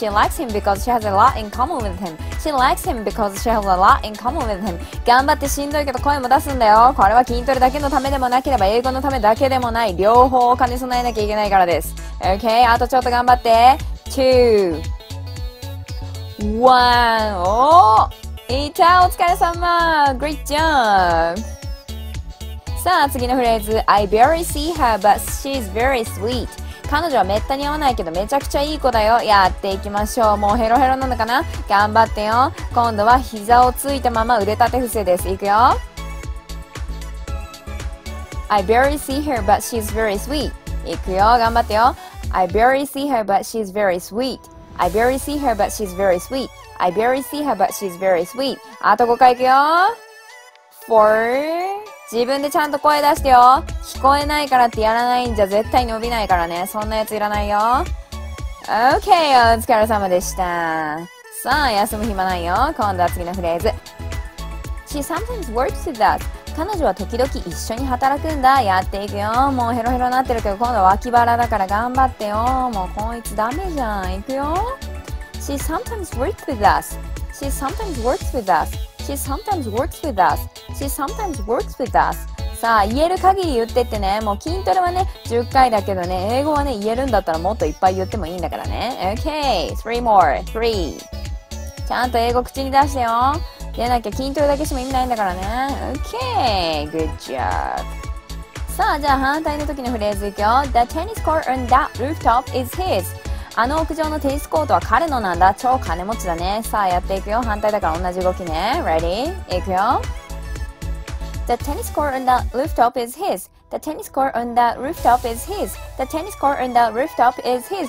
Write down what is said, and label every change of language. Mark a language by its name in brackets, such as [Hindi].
[English] She likes him because she has a lot in common with him. She likes him because she has a lot in common with him. [Japanese] 頑張ってしんどいけど声も出すんだよ。これは筋トレだけのためでもなければ英語のためだけでもない。両方を兼ね備えなきゃいけないからです。 [English] OK? [Japanese] あとちょっと頑張って。 2。 1。 おー!いた! お疲れ様! [English] Great job! [Japanese] さあ、次のフレーズ。 [English] I barely see her, but she's very sweet. [Japanese] 彼女はめったに会わないけどめちゃくちゃいい子だよ。やっていきましょう。もうヘロヘロなのかな?頑張ってよ。今度は膝をついたまま腕立て伏せです。いくよ。 [English] I barely see her, but she's very sweet. [Japanese] いくよ。頑張ってよ。 [English] I barely see her, but she's very sweet. I barely see her, but she's very sweet. I barely see her, but she's very sweet. [Japanese] あと5回いくよ。4。自分でちゃんと声出してよ。聞こえないからってやらないんじゃ絶対伸びないからね。そんなやついらないよ。 OK! お疲れ様でした。さあ、休む暇ないよ。今度は次のフレーズ。 [English] She sometimes works with us. [Japanese] 彼女は時々一緒に働くんだ。やっていくよ。もうヘロヘロになってるけど今度は脇腹だから頑張ってよ。もうこいつダメじゃん。いくよ。 [English] She sometimes works with us. She sometimes works with us. She sometimes works with us. She sometimes works with us. [Japanese] さあ、言える限り言ってってね。もう筋トレはね、10回だけどね、英語はね、言えるんだったらもっといっぱい言ってもいいんだからね。 [English] OK! Three more! Three! [Japanese] ちゃんと英語口に出してよ。出なきゃ筋トレだけしても意味ないんだからね。 [English] OK! Good job! [Japanese] さあ、じゃあ反対の時のフレーズいくよ。 [English] The tennis court on that rooftop is his. [Japanese] あの屋上のテニスコートは彼のなんだ。超金持ちだね。さあ、やっていくよ。反対だから同じ動きね。 [English] Ready? [Japanese] 行くよ。 [English] The tennis court on the rooftop is his. The tennis court on the rooftop is his. The tennis court on the rooftop is his.